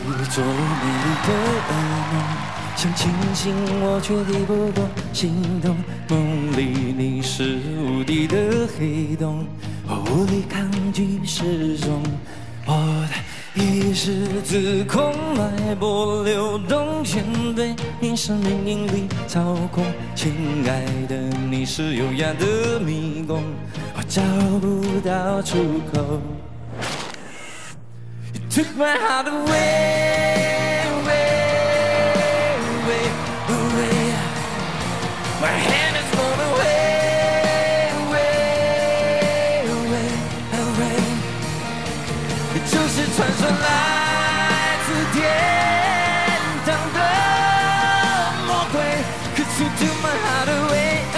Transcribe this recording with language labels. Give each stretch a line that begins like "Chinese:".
Chinese: 做了美丽的噩梦，想清醒我却抵不过心动，梦里你是无底的黑洞，我无力抗拒失踪，我的意识自控，脉搏流动，全对你生命引力操控，亲爱的你是优雅的迷宫，我找不到出口。
English: Took my heart away, away, away, away. My hand is blown away, away, away, away.
Chinese: 你就是传说来自天堂的魔鬼。
English: Cause you took my heart away.